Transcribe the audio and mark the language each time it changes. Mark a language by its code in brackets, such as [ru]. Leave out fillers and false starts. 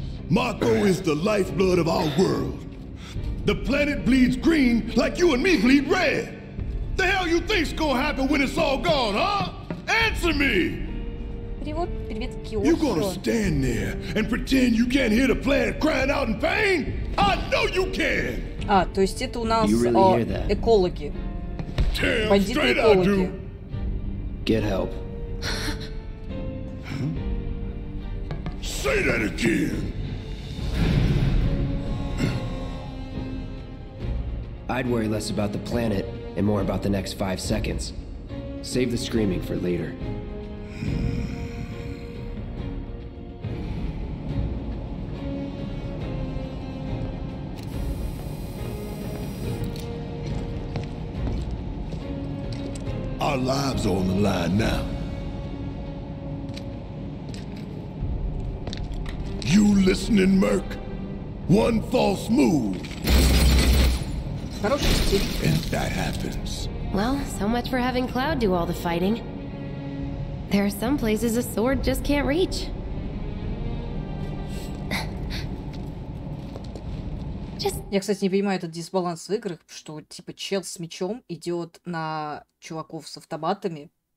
[en] Mako is the lifeblood of our world. The planet bleeds green like you and me bleed red. The hell you think's gonna happen when it's all gone, huh? Answer me! You gonna stand there and pretend you can't hear the planet crying out in pain? I know you can! [ru] А, то есть это у нас экологи. Бандиты-экологи. [en] Get help. Huh? Say that again. I'd worry less about the planet and more about the next 5 seconds. Save the screaming for later. Hmm. Our lives are on the line now. You listening, Merc? One false move. And that happens. Well, so much for having Cloud do all the fighting. There are some places a sword just can't reach. [ru] Я, кстати, не понимаю этот дисбаланс в играх, что, типа, чел с мечом идет на чуваков с автоматами.